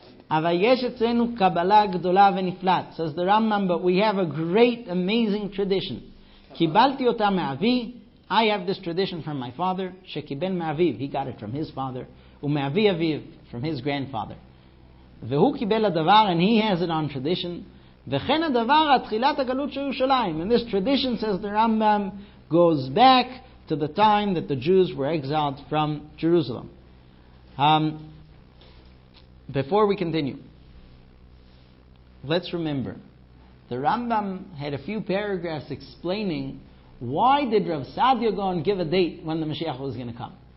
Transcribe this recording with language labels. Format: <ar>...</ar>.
<he>אבל יש אצלנו קבלה גדולה ונפלאת.</he> <en>Says the Rambam, but we have a great, amazing tradition.</en> <he>קיבלתי אותה מאבי.</he> <en>I have this tradition from my father.</en> <he>שקיבל מאביו.</he> <en>He got it from his father.</en> <he>ומאבי אביו,</he> <en>from his grandfather.</en> <he>והוא קיבל הדבר,</he> <en>and he has it on tradition.</en> <he>וכן הדבר, התחילת הגלות של ירושלים.</he> <en>And this tradition, says the Rambam, goes back to the time that the Jews were exiled from Jerusalem. Before we continue, let's remember, the Rambam had a few paragraphs explaining why did Rav Sadia Gaon give a date when the Mashiach was going to come.</en>